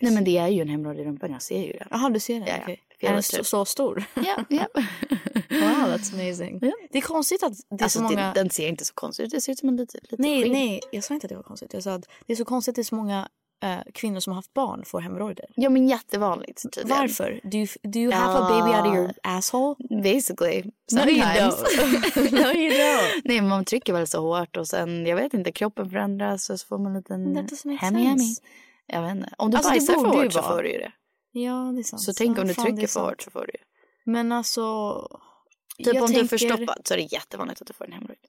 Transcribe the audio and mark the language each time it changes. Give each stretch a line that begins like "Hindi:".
Swedish: Nej, men det är ju en hemorrhoid i rumpan, jag ser ju det. Jaha, du ser det, okej. Är den så stor? Ja,
English: Wow, that's amazing. Yeah.
Swedish: Det är konstigt att det är alltså, så många... den ser inte så konstigt ut, det ser ut som en liten skinn. Nej, jag sa inte att det var konstigt. Jag sa att det är så konstigt att det är så många... kvinnor som har haft barn får hemorrhoider. Ja, men jättevanligt. Tydligen. Varför?
English: Do you have a baby out of your asshole? Basically. Sometimes. No, you don't.
Swedish: Nej, man trycker väl så hårt och sen, jag vet inte, kroppen förändras och så får man en liten hemi-hemi. Jag vet inte. Om du alltså, bajsar för hårt du så får du ju det. Ja, det är sant. Så tänk om du trycker för hårt så får du ju. Men alltså... Typ om du är förstoppad så är det jättevanligt att du får en hemorrhoid.